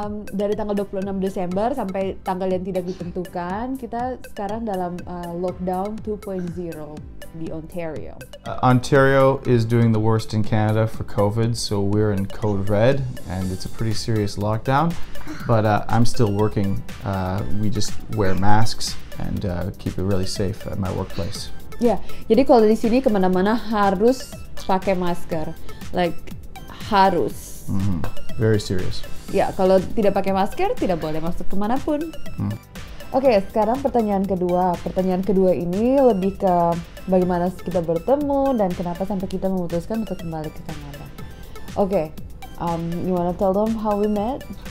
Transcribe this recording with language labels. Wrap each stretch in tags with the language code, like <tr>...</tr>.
<id>Dari tanggal 26 Desember sampai tanggal yang tidak ditentukan, kita sekarang dalam lockdown 2.0 di Ontario.</id> <en>Ontario is doing the worst in Canada for COVID, so we're in code red and it's a pretty serious lockdown. But I'm still working. We just wear masks and keep it really safe at my workplace.</en> <id>Yeah, jadi kalau di sini kemana-mana harus pakai masker, like harus.</id> <en>Mm-hmm. Very serious.</en> <id>Ya, kalau tidak pakai masker, tidak boleh masuk kemanapun. Oke, sekarang pertanyaan kedua. Pertanyaan kedua ini lebih ke bagaimana kita bertemu dan kenapa sampai kita memutuskan untuk kembali ke Kanada.</id> <en>Oke, you wanna tell them how we met?</en>